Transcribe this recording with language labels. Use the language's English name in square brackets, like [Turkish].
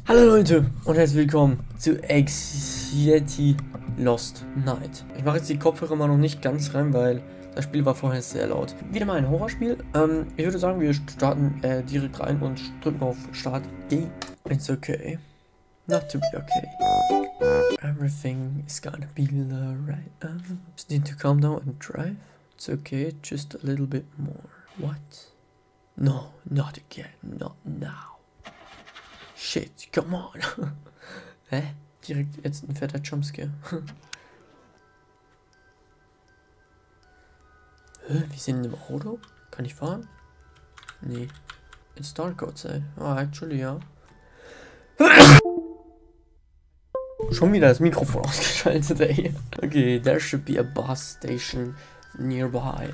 [German] Hallo Leute und herzlich willkommen zu Anxiety Lost Night. Ich mache jetzt die Kopfhörer mal noch nicht ganz rein, weil das Spiel war vorher sehr laut. Wieder mal ein Horrorspiel. Ich würde sagen, wir starten direkt rein und drücken auf Start. [English] It's okay. Not to be okay. Everything is gonna be alright. Just need to calm down and drive. It's okay, just a little bit more. What? No, not again. Not now. Shit, come on! Hä? [German] Direkt jetzt ein fetter Jumpscare. Hä? Wir sind im Auto? Kann ich fahren? Nee. [English] It's dark outside. Oh, actually, [German] ja. Schon wieder das Mikrofon ausgeschaltet, ey. [English] Okay, there should be a bus station nearby.